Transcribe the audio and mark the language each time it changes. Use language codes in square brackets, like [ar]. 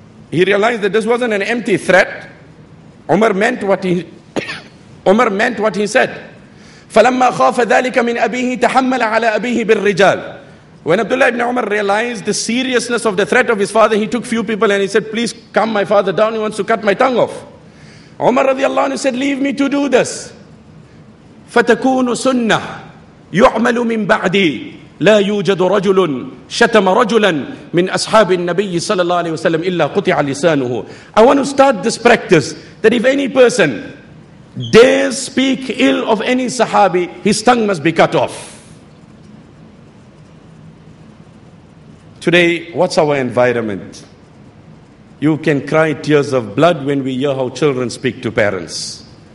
[en] He realized that this wasn't an empty threat. Umar meant what he said. [ar] فَلَمَّا خَافَ ذَلِكَ مِنْ أَبِيهِ تَحَمَّلَ عَلَىٰ أَبِيهِ بِالرِّجَالِ [en] When Abdullah ibn Umar realized the seriousness of the threat of his father, he took few people and he said, please calm my father down, he wants to cut my tongue off. Umar radiallahu anhu said, leave me to do this. [ar] فَتَكُونُ سُنَّةٌ يُعْمَلُ مِنْ بَعْدِي لا يوجد رجل شتم رجلا من أصحاب النبي صلى الله عليه وسلم إلا قطع لسانه. [en] I want to start this practice that if any person dares speak ill of any Sahabi, his tongue must be cut off. Today, what's our environment? You can cry tears of blood when we hear how children speak to parents.